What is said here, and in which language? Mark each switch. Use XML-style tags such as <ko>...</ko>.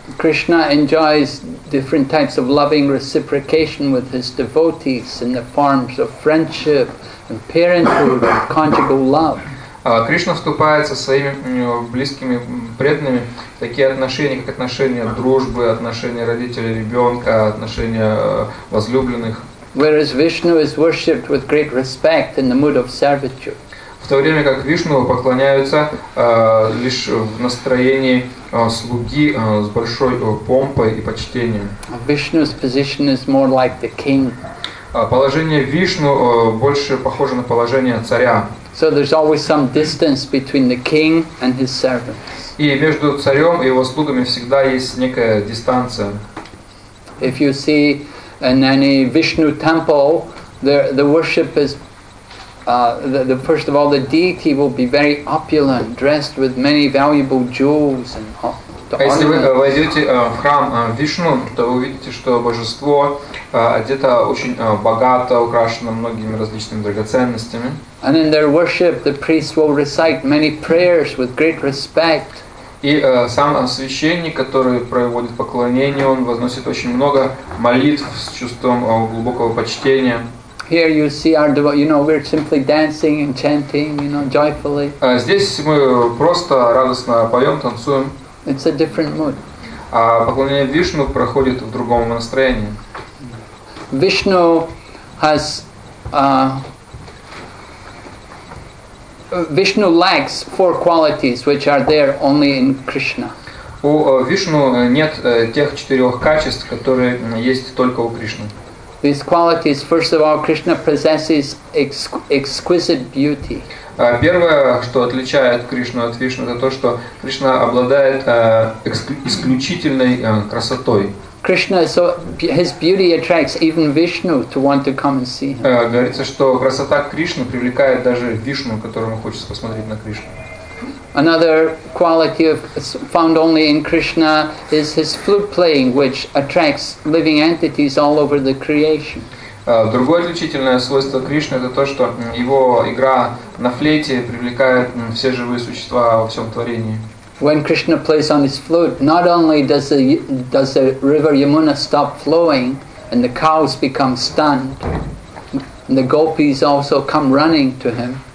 <en>Krishna enjoys different types of loving reciprocation with his devotees in the forms of friendship and parenthood and conjugal love.</en> <ru>Кришна вступает со своими близкими преданными в такие отношения, как отношения дружбы, отношения родителей ребенка, отношения возлюбленных.</ru> <en>Whereas Vishnu is worshipped with great respect in the mood of servitude.</en> <ru>В то время как Вишну поклоняются лишь в настроении слуги с большой помпой и почтением.</ru> <en>Vishnu's position is more like the king.</en> <ru>Положение Вишну больше похоже на положение царя.</ru> <en>So there's always some distance between the king and his servants.</en> <ru>И между царем и его слугами всегда есть некая дистанция.</ru> <en>If you see in any Vishnu temple, the worship is first of all, the deity will be very opulent, dressed with many valuable jewels and ornaments.</en> <ru>Если вы войдете в храм Вишну, то вы увидите, что божество одето очень богато, украшено многими различными драгоценностями.</ru> <en>And in their worship, the priests will recite many prayers with great respect.</en> <ru>И сам священник, который проводит поклонение, он возносит очень много молитв с чувством глубокого почтения.</ru> <en>Here you see our devotees, you know, we're simply dancing and chanting, you know, joyfully.</en> <ru>Здесь мы просто радостно поем, танцуем.</ru> <en>It's a different mood.</en> <ru>Поклонение Вишну проходит в другом настроении.</ru> <en>Vishnu has Vishnu lacks four qualities which are there only in Krishna.</en> <ru>У Вишну нет тех четырех качеств, которые есть только у Кришны.</ru> <en>These qualities, first of all, Krishna possesses exquisite beauty.</en> <ru>Первое, что отличает Кришну от Вишну, это то, что Кришна обладает исключительной красотой.</ru> <en>Krishna, so his beauty attracts even Vishnu to want to come and see him.</en> <ru>Говорится, что красота Кришны привлекает даже Вишну, которому хочется посмотреть на Кришну.</ru> <en>Another quality of, found only in Krishna is his flute playing, which attracts living entities all over the creation.</en> <ru>Другое отличительное свойство Кришны это то, что его игра на флейте привлекает все живые существа во всем творении.</ru> <en>When Krishna plays on his flute, not only does the river Yamuna stop flowing and the cows become stunned, and the gopis also come running to him.</en>